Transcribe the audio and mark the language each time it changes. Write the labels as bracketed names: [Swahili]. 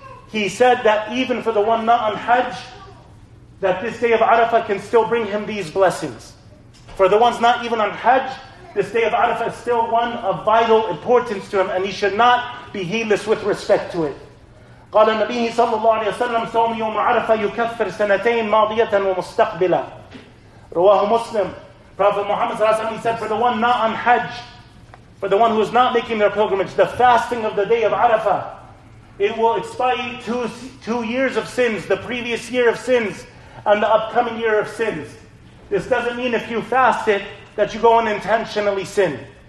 [English] He said that even for the one not on hajj, that this day of Arafah can still bring him these blessings. For the ones not even on hajj, this day of Arafah is still one of vital importance to him, and he should not be heedless with respect to it. [Arabic] قال النبي صلى الله عليه وسلم صوم يوم عرفة يكفر سنتين ماضية ومستقبلة رواه مسلم. [English] Prophet Muhammad صلى الله عليه وسلم, he said, for the one not on hajj, for the one who is not making their pilgrimage, the fasting of the day of Arafah, it will expiate two years of sins, the previous year of sins and the upcoming year of sins. This doesn't mean if you fast it that you go and intentionally sin.